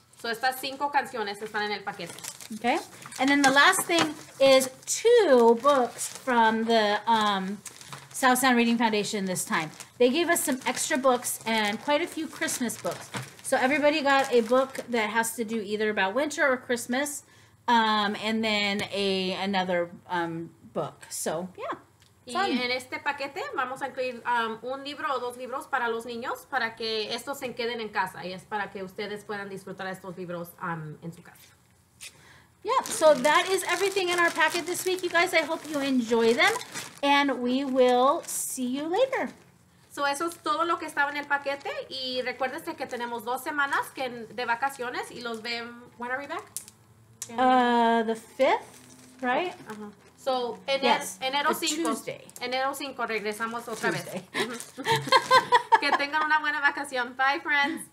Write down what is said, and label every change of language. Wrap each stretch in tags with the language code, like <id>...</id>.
<es>So estas cinco canciones están en el paquete.</es> <en>Okay. And then the last thing is two books from the South Sound Reading Foundation this time. They gave us some extra books and quite a few Christmas books. So everybody got a book that has to do either about winter or Christmas. And then another book. So, yeah.</en> <es>Y en este paquete vamos a incluir un libro o dos libros para los niños para que estos se queden en casa y es para que ustedes puedan disfrutar estos libros en su casa.</es> <en>Yeah, so that is everything in our packet this week, you guys. I hope you enjoy them and we will see you later.</en> <es>So eso es todo lo que estaba en el paquete y recuérdense que tenemos dos semanas de vacaciones y los ven.</es> <en>When are we back? The 5th, right?</en> <es>Uh-huh. Enero 5 regresamos otra</es> <en>Tuesday.</en> <es>Vez. Que tengan una buena vacación.</es> <en>Bye, friends.</en>